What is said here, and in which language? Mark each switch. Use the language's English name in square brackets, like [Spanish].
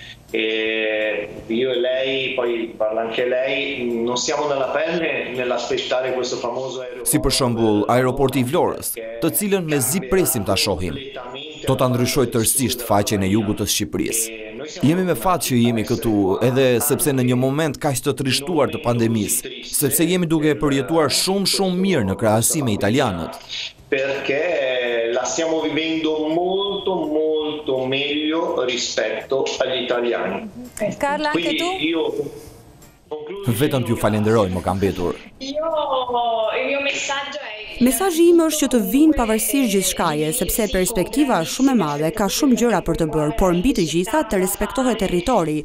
[Italian] E io e lei poi parla anche lei non siamo nella pelle nell'aspettare questo famoso aeroporto. [Albanian] Si per shembull aeroporti i Vlorës, të cilën mezi presim ta shohim. Do ta ndryshoj tërsisht faqen e jugut të Shqipërisë. Jemi me fat që jemi këtu edhe sepse në një moment kaq të trishtuar të pandemisë, sepse jemi duke përjetuar shumë mirë në krahasim me italianët. [Italian] Perché la stiamo vivendo molto meglio rispetto agli italiani. Carla, anche tu? [Albanian] Vetëm t'ju falenderoj, më kam mbetur. Mesazhi im është që të vinë pavarësisht gjithçkaje, sepse perspektiva është shumë e madhe, ka shumë gjëra për të bërë, por mbi të gjitha të respektohet territori.